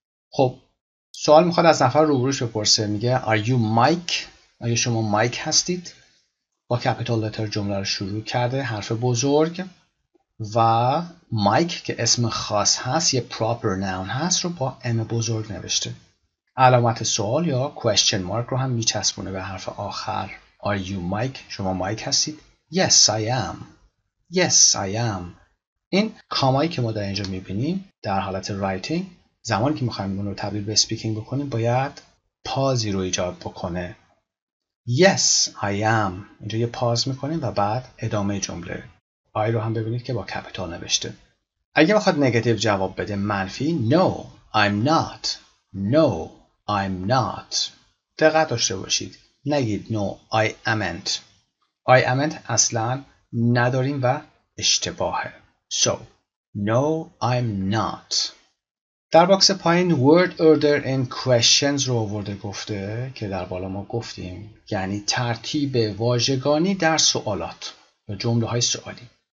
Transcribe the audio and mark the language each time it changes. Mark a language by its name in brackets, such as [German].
[Persian] خب سوال میخواد از نفر روبروش بپرسه. میگه [English] Are you Mike؟ [Persian] آیا شما Mike هستید؟ با کپیتال لتر جمله رو شروع کرده، حرف بزرگ، و مایک که اسم خاص هست، یه پراپر ناون هست، رو با ام بزرگ نوشته. علامت سوال یا question mark رو هم میچسبونه به حرف آخر. [English] Are you Mike؟ [Persian] شما مایک هستید؟ [English] Yes, I am. Yes, I am. [Persian] این کامایی که ما در اینجا میبینیم در حالت رایتینگ، زمانی که میخواییم اون رو تبدیل به سپیکینگ بکنیم باید پازی رو ایجاد بکنه. [English] Yes, I am. [Persian] اینجا یه پاز میکنیم و بعد ادامه جمله. I رو هم ببینید که با کپیتال نوشته. اگه بخواد نگاتیو جواب بده، منفی، [English] No, I'm not. No, I'm not. [Persian] دقت داشته باشید. نگید [English] No, I amn't. I amn't [Persian] اصلا نداریم و اشتباهه. [English] So, No, I'm not. [Persian] در باکس پایین [English] word order and questions [Persian] رو آورده، گفته که در بالا ما گفتیم، یعنی ترتیب واژگانی در سوالات یا جمله های سوالی.